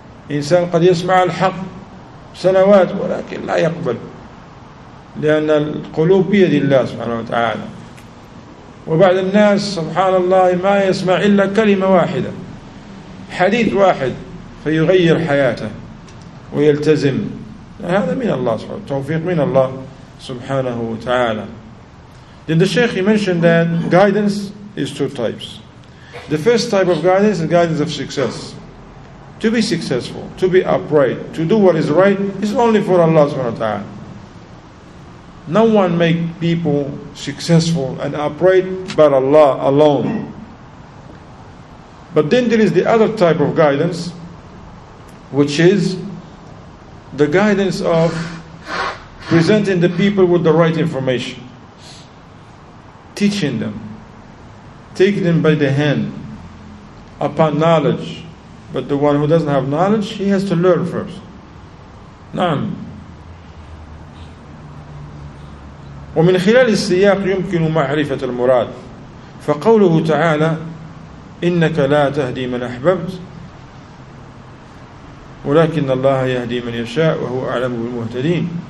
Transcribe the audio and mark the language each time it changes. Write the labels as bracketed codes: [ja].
[ar] إنسان قد يسمع الحق سنوات ولكن لا يقبل، لأن القلوب بيد الله سبحانه وتعالى. وبعض الناس سبحان الله ما يسمع إلا كلمة واحدة، حديث واحد، فيغير حياته ويلتزم. هذا من الله سبحانه وتعالى، توفيق من الله سبحانه وتعالى. [en] Then the Sheikh mentioned that guidance is two types. The first type of guidance is guidance of success. To be successful, to be upright, to do what is right is only for Allah subhanahu wa ta'ala. No one make people successful and upright but Allah alone. But then there is the other type of guidance, which is the guidance of presenting the people with the right information, teaching them, taking them by the hand upon knowledge. But the one who doesn't have knowledge, he has to learn first. [ar] نعم. ومن خلال السياق يمكن معرفة المراد. فقوله تعالى إنك لا تهدي من أحببت ولكن الله يهدي من يشاء وهو أعلم بالمهتدين.